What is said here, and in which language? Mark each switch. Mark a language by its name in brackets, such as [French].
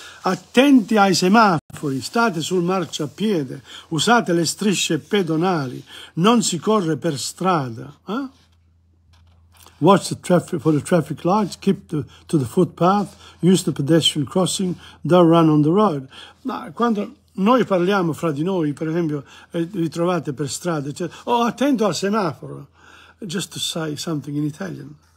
[Italian] Attenti ai semafori, state sul marciapiede, usate le strisce pedonali, non si corre per strada. [English] Watch the traffic for the traffic lights, keep to the footpath, use the pedestrian crossing, don't run on the road. [Italian] Ma quando noi parliamo fra di noi, per esempio, ritrovate per strada, cioè, oh, attento al semaforo, [English] just to say something in Italian.